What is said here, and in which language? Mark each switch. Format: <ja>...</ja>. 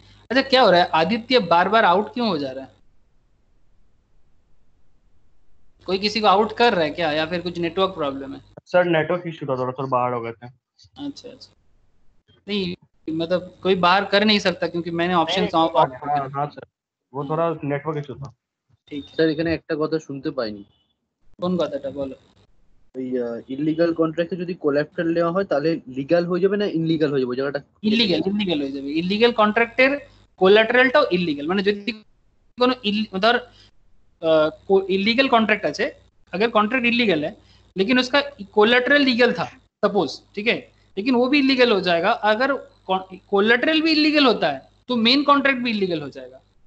<hi>अच्छा क्या हो रहा है आदित्य, बार बार आउट क्यों हो जा रहा है, कोई किसी को आउट कर रहा है क्या, या फिर कुछ नेटवर्क प्रॉब्लम है? सर नेटवर्क इशू था, थोड़ा सर बाहर हो गए थे। अच्छा, नहीं मतलब कोई बाहर कर नहीं सकता क्योंकि मैंने ऑप्शन ऑफ कर दिया। हां सर वो थोड़ा नेटवर्क इशू था। ठीक है सर, इखने</hi> <bn>একটা কথা শুনতে পাইনি। কোন কথাটা বলো? ওই ইললিগ্যাল কন্ট্রাক্টে যদি কোলাটারাল নেওয়া হয় তাহলে লিগ্যাল হয়ে যাবে না ইললিগ্যাল হয়ে যাবে? জায়গাটা ইললিগ্যাল, ইললিগ্যাল হয়ে যাবে। ইললিগ্যাল কন্ট্রাক্টের কোলাটারালটাও ইললিগ্যাল, মানে যদি কোনো ধর</bn> <hi>इलीगल कॉन्ट्रैक्ट अच्छे, अगर कॉन्ट्रैक्ट इलीगल है लेकिन उसका कोलेटरल लीगल था सपोज, ठीक है, लेकिन वो भी इलीगल हो जाएगा अगर कोलेटरल भी इलीगल होता है तो मेन कॉन्ट्रैक्ट भी इलीगल हो जाएगा।</hi>